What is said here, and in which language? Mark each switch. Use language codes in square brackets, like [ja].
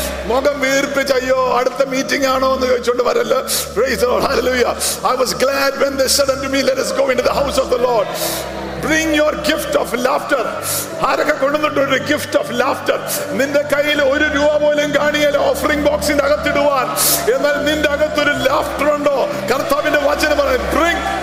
[ml] മുഖം വീർപ്പിച്ച് അയ്യോ അടുത്ത മീറ്റിംഗ് ആണോ എന്ന് ചോദിച്ചോണ്ട് വരല്ല. [en] Praise the Lord. Hallelujah. I was glad when they said unto me, let us go into the house of the Lord. Bring your gift of laughter. [ml] ആരൊക്കെ കൊണ്ടുവന്നിട്ട് ഒരു [en] Gift of laughter? [ml] നിന്റെ കയ്യിൽ ഒരു രൂപ പോലും കാണിയാൽ ഓഫറിംഗ് ബോക്സിന്റെ അകത്തിടുവാൻ. എന്നാൽ നിന്റെ അകത്തൊരു ലാഫ്റ്റർ ഉണ്ടോ? കർത്താവിന്റെ വചനം പറയാം, ബ്രിങ്.